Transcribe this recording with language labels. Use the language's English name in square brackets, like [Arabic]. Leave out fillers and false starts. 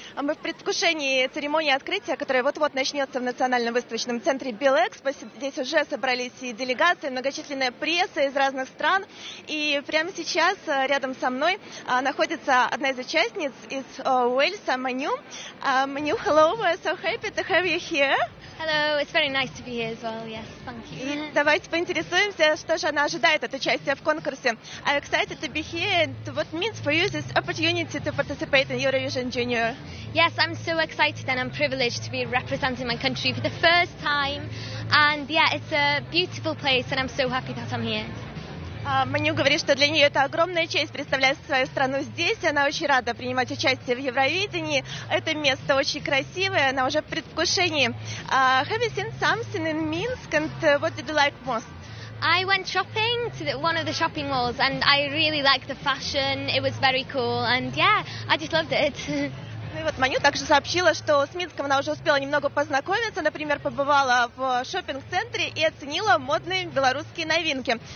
[Russian] А мы в предвкушении церемонии открытия, которая вот-вот начнется в Национальном выставочном центре Белэкспо. Здесь уже собрались и делегации, многочисленная пресса из разных стран. И прямо сейчас рядом со мной находится одна из участниц из Уэльса, Маню. [English] Маню, hello, we're so happy to have you here. Hello, it's very nice to be here as well. Yes, thank you. [Russian] Давайте поинтересуемся, что же она ожидает от участия в конкурсе. [English] I'm excited to be here. And what means for you this opportunity to participate in Eurovision Junior? Yes, I'm so excited and I'm privileged to be representing my country for the first time. And yeah, it's a beautiful place and I'm so happy that I'm here. [Russian] Маню говорит, что для нее это огромная честь представлять свою страну здесь. Она очень рада принимать участие в Евровидении. Это место очень красивое, она уже в предвкушении. [English] Have you seen something in Minsk and what did you like most? I went shopping to one of the shopping malls and I really liked the fashion. It was very cool and yeah, I just loved it. [Russian] Ну и вот Маню также сообщила, что с Минском она уже успела немного познакомиться, например, побывала в шопинг-центре и оценила модные белорусские новинки.